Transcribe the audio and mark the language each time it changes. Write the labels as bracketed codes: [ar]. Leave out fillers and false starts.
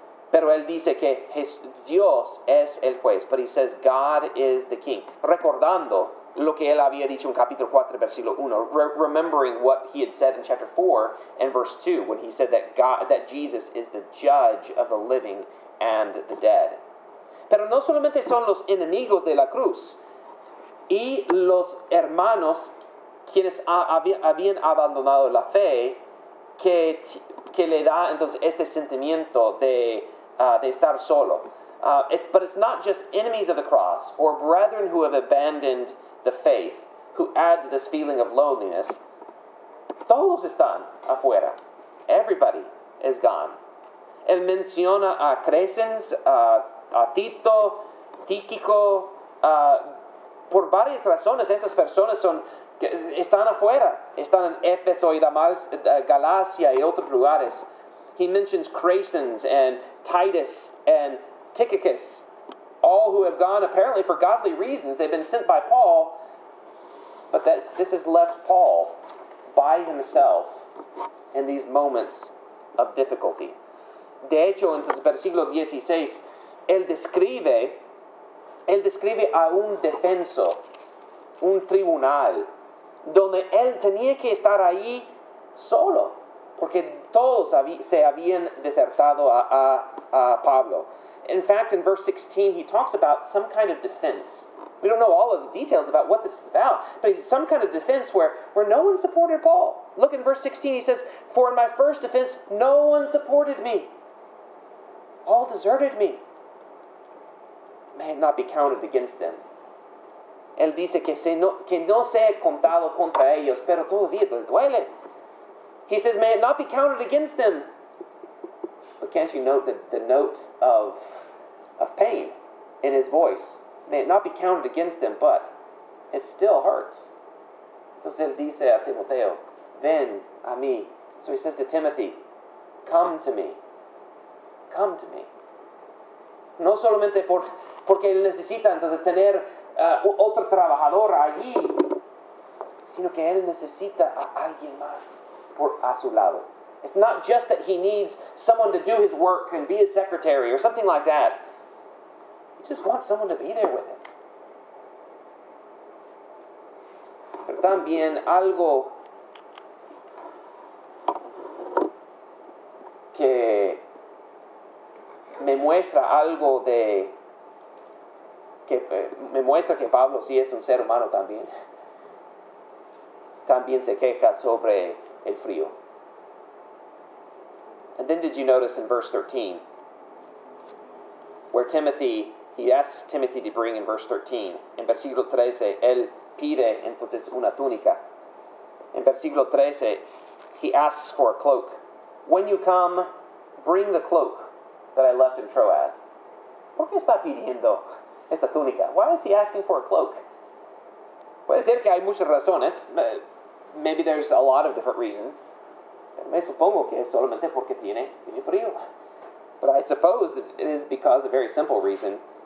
[es] Pero él dice que Dios es el juez. [en] But he says God is the king. [es] Recordando lo que él había dicho en capítulo 4, versículo 1. [en] Remembering what he had said in chapter 4 and verse 2, when he said that God, that Jesus is the judge of the living and the dead. [es] Pero no solamente son los enemigos de la cruz y los hermanos quienes habían abandonado la fe que le da entonces este sentimiento de estar solo. [en] But it's not just enemies of the cross or brethren who have abandoned the faith, who add to this feeling of loneliness. [es] Todos están afuera. [en] Everybody is gone. [es] Él menciona a Crescens, a Tito, Tíquico. Por varias razones, esas personas están afuera. Están en Éfeso y Galacia y otros lugares. [en] He mentions Crescens and Titus and Tychicus, all who have gone apparently for godly reasons. They've been sent by Paul. But this has left Paul by himself in these moments of difficulty. [es] De hecho, en el versículo 16, él describe a un defenso, un tribunal, donde él tenía que estar ahí solo, porque todos se habían desertado a Pablo. [en] In fact, in verse 16, he talks about some kind of defense. We don't know all of the details about what this is about, but it's some kind of defense where no one supported Paul. Look in verse 16, he says, for in my first defense, no one supported me. All deserted me. May it not be counted against them. [es] Él dice que no se ha contado contra ellos, pero todavía les duele. [en] He says, may it not be counted against them. But can't you note the note of pain in his voice? May it not be counted against them, but it still hurts. [es] Entonces él dice a Timoteo, ven a mí. [en] So he says to Timothy, come to me. Come to me. [es] No solamente porque él necesita entonces tener otro trabajador allí, sino que él necesita a alguien más por a su lado. [en] It's not just that he needs someone to do his work and be his secretary or something like that. He just wants someone to be there with him. [es] Pero también algo que me muestra algo de que me muestra que Pablo sí es un ser humano también. También se queja sobre el frío. [en] And then did you notice in verse 13 where Timothy, he asks Timothy to bring in verse 13. [es] En versículo 13, él pide entonces una túnica. En versículo 13, [en] he asks for a cloak. When you come, bring the cloak that I left in Troas. [es] ¿Por qué está pidiendo esta túnica? [en] Why is he asking for a cloak? [es] Puede ser que hay muchas razones. [en] Maybe there's a lot of different reasons. [es] Pero me supongo que es solamente porque tiene frío. [en] But I suppose that it is because of a very simple reason.